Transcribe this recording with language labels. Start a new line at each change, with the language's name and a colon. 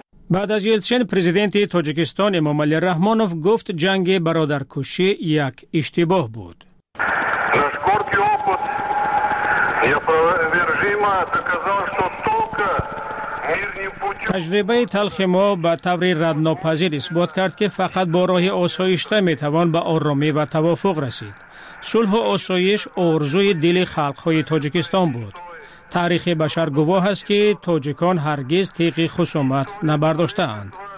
Persian: بعد از یلسین، پرزیدنت تاجیکستان امام علی رحمانوف گفت جنگ برادرکشی یک اشتباه بود.
Russian: Наш горький опыт неопровержимо доказал, что только мирный путь.
Persian: تجربه تلخ ما به طور ردناپذیر اثبات کرد که فقط با راه آسایشته می توان به آرامی و توافق رسید. صلح و آسایش آرزوی دل خلق‌های تاجیکستان بود. تاریخ بشر گواه است که تاجیکان هرگز تیغ خصومت نبرداشتند.